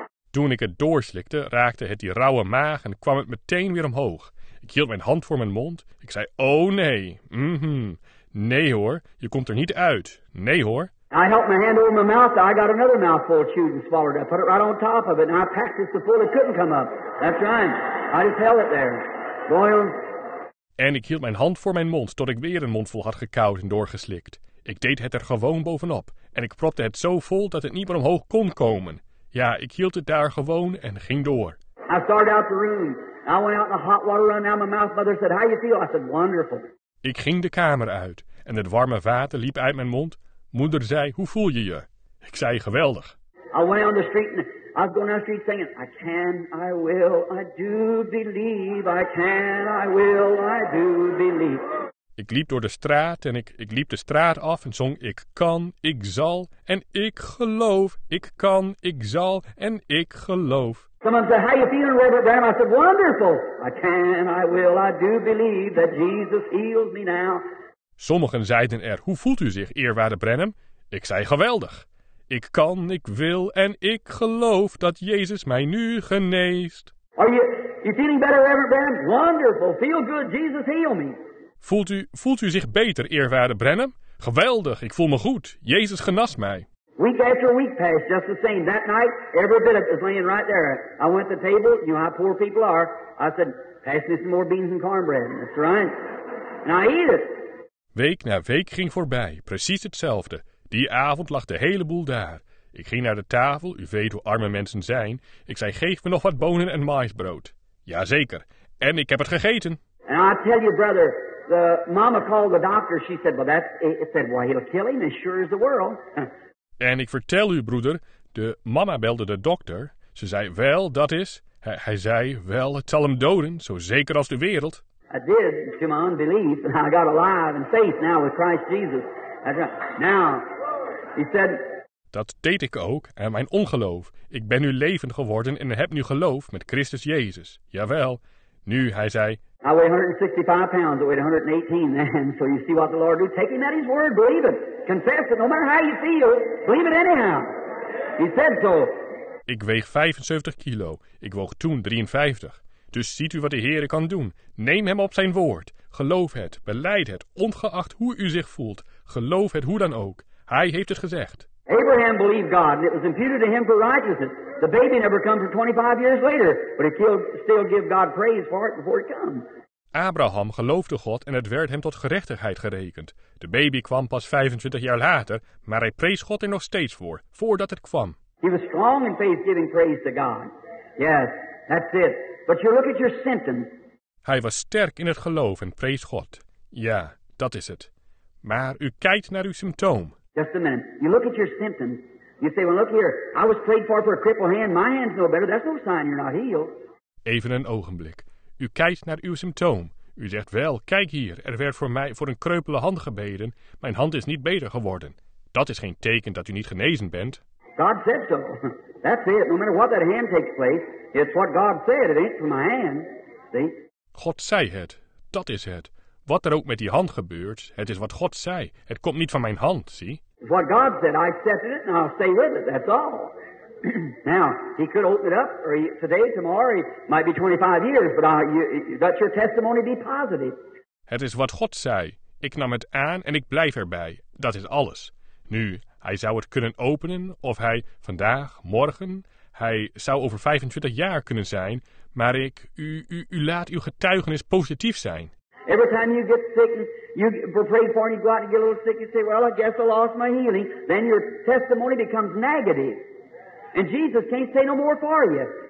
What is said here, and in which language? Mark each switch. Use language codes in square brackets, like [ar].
[nl] Toen ik het doorslikte, raakte het die rauwe maag en kwam het meteen weer omhoog. Ik hield mijn hand voor mijn mond. Ik zei, oh nee. Mm-hmm. Nee hoor, je komt er niet uit. Nee hoor. [en] I held my hand over my mouth. I got another mouthful chewed and swallowed. I put it right on top of it and I packed it so full it couldn't come up. That's right. I just held it there. Boiling. [nl] En ik hield mijn hand voor mijn mond tot ik weer een mondvol had gekauwd en doorgeslikt. Ik deed het er gewoon bovenop. En ik propte het zo vol dat het niet meer omhoog kon komen. Ja, ik hield het daar gewoon en ging door. [en] I started out the room. I went out in the hot water running out of my mouth. Mother said, how you feel? I said, wonderful. [nl] Ik ging de kamer uit. En het warme water liep uit mijn mond. Moeder zei, hoe voel je je? Ik zei, geweldig. [en] I went on the street and I was going down the street singing, I can, I will, I do believe. I can, I will, I do believe. [nl] Ik liep door de straat en ik liep de straat af en zong ik kan, ik zal en ik geloof. Ik kan, ik zal en ik geloof. [en] Someone said, how you feeling, Robert Graham? I said, wonderful. I can, I will, I do believe that Jesus heals me now. [nl] Sommigen zeiden er, hoe voelt u zich, eerwaarde Branham? Ik zei, geweldig. Ik kan, ik wil en ik geloof dat Jezus mij nu geneest. [en] Are you feeling better, Reverend Branham? Wonderful, feel good, Jesus heal me. [nl] Voelt u zich beter, eerwaarde Branham? Geweldig, ik voel me goed. Jezus genas mij. [en] Week after week passed, just the same. That night, every bit of it was laying right there. I went to the table, you know how poor people are. I said, pass me some more beans and cornbread, Mr. Ryan. And I eat it. [nl] Week na week ging voorbij, precies hetzelfde. Die avond lag de hele boel daar. Ik ging naar de tafel, u weet hoe arme mensen zijn. Ik zei, geef me nog wat bonen en maïsbrood. Jazeker, en ik heb het gegeten. [en] And I tell you, brother, the mama called the doctor. She said, well, he'll kill him as sure as the world. [nl] En ik vertel u, broeder, de mama belde de dokter. Ze zei, wel, dat is. Hij zei, wel, het zal hem doden, zo zeker als de wereld. [en] I did, to my unbelief, and I got alive in faith now with Christ Jesus. Now, he said... [nl] Dat deed ik ook, en mijn ongeloof. Ik ben nu levend geworden en heb nu geloof met Christus Jezus. Jawel. Nu, hij zei... [en] I weigh 165 pounds, I weigh 118, man. So you see what the Lord do. Take him at his word, believe it. Confess it, no matter how you feel, believe it anyhow. He said so. [nl] Ik weeg 75 kilo. Ik woog toen 53. Dus ziet u wat de Heere kan doen. Neem hem op zijn woord. Geloof het, beleid het, ongeacht hoe u zich voelt. Geloof het hoe dan ook. Hij heeft het gezegd. [en] Abraham believed God, and it was imputed to him for righteousness. The baby never comes until 25 years later, but he still give God praise for it before it comes. [nl] Abraham geloofde God en het werd hem tot gerechtigheid gerekend. De baby kwam pas 25 jaar later, maar hij prees God er nog steeds voor, voordat het kwam. [en] He was strong in faith giving praise to God. Yes, that's it. But you look at your symptoms. [nl] Hij was sterk in het geloof en prees God. Ja, dat is het. Maar u kijkt naar uw symptoom. [en] Just a minute. You look at your symptoms. You say, well, look here. I was prayed for a crippled hand. My hand's no better. That's no sign you're not healed. [nl] Even een ogenblik. U kijkt naar uw symptoom. U zegt, wel, kijk hier. Er werd voor mij voor een kreupele hand gebeden. Mijn hand is niet beter geworden. Dat is geen teken dat u niet genezen bent. [en] God said so. That's it. No matter what that hand takes place, it's what God said. It ain't for my hand. See? [nl] God zei het. Dat is het. Wat er ook met die hand gebeurt, het is wat God zei. Het komt niet van mijn hand, zie. [en] What God said, I accepted it and I'll stay with it, that's all. Now, he could open it up, or today, tomorrow, it might be 25 years, but let your testimony be positive. [nl] Het is wat God zei. Ik nam het aan en ik blijf erbij. Dat is alles. Nu, hij zou het kunnen openen, of hij vandaag, morgen, hij zou over 25 jaar kunnen zijn, maar ik, u laat uw getuigenis positief zijn. [en] Every time you get sick, you pray for and you go out and get a little sick, you say, well, I guess I lost my healing. Then your testimony becomes negative. And Jesus can't say no more for you.